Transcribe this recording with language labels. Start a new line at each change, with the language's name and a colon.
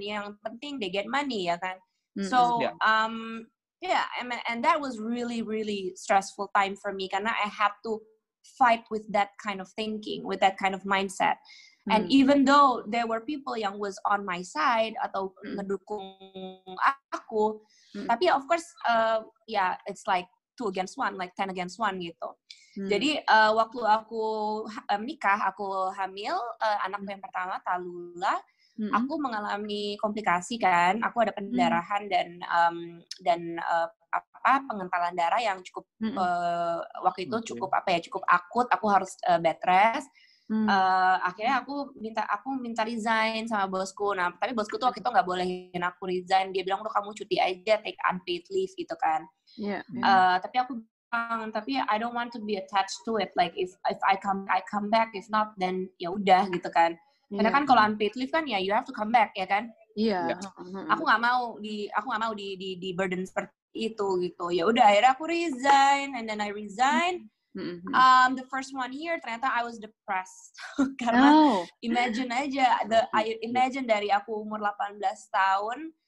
Indonesian: Yang penting
English: they get money,
Indonesian: ya kan?
English: So, and that was really, really stressful time for me,
Indonesian: karena
English: I had to fight with that kind of thinking, with that kind of mindset. And even though there were people
Indonesian: yang
English: was on my side
Indonesian: atau ngedukung aku, tapi
English: of course it's like 2 against 1, like 10 against 1
Indonesian: gitu. Jadi waktu aku menikah, aku hamil anak yang pertama Talula, aku mengalami komplikasi kan, aku ada pendarahan dan pengentalan darah yang cukup waktu itu cukup apa ya, cukup akut, aku harus bed rest. Akhirnya aku minta resign sama bosku. Nah tapi bosku tuh waktu itu nggak bolehin aku resign, dia bilang udah kamu cuti aja,
English: take unpaid leave
Indonesian: gitu kan. Tapi aku Tapi
English: I don't want to be attached to it. Like if I come back, if not then
Indonesian: ya udah gitu kan. Karena kan kalau unpaid leave kan ya
English: you have to come back
Indonesian: ya kan. Iya.
English: Yeah.
Indonesian: Aku nggak mau di burden seperti itu gitu. Ya udah akhirnya aku resign
English: and then I resign. The first one year
Indonesian: ternyata
English: I was depressed.
Indonesian: Karena imagine dari aku umur 18 tahun.